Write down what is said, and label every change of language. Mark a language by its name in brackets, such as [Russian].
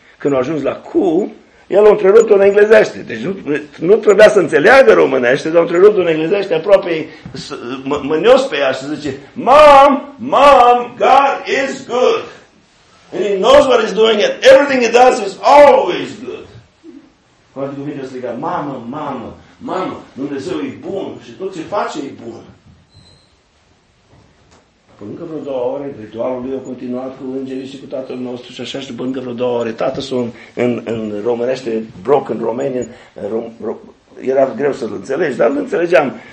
[Romanian] Când a ajuns la cu, el a întrerupt-o în englezește. Deci nu trebuia să înțeleagă românește, dar a întrerupt-o în englezește, aproape mânios pe ea și zice, [English] Mom, Mom, God is good. And he knows what he's doing and everything he does is always good. [Romanian] Cu alte cuvinte, striga, mamă, mamă, mamă, Dumnezeu e bun și tot ce face e bun. Până încă vreo 2 ore, ritualul lui a continuat cu îngerii și cu Tatăl nostru și așa și până încă vreo 2 ore. Tatăl său în românește, [English] broken Romanian, [Romanian] era greu să-l înțelegi, dar îl înțelegeam.